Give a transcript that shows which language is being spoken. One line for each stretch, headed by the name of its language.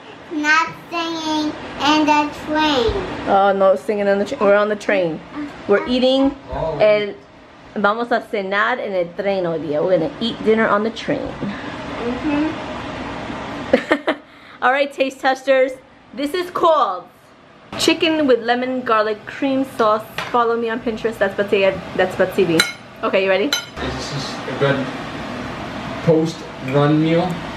English: Not singing in the train. Oh, no singing on the train. We're on the train. We're eating.
Spanish: El, vamos a cenar en el tren hoy día.
English: We're going to eat dinner on the train. Mm-hmm. All right, taste testers. This is called chicken with lemon garlic cream sauce. Follow me on Pinterest. That's Betsy. That's Betsy V. Okay, you ready? Is this a good post run meal?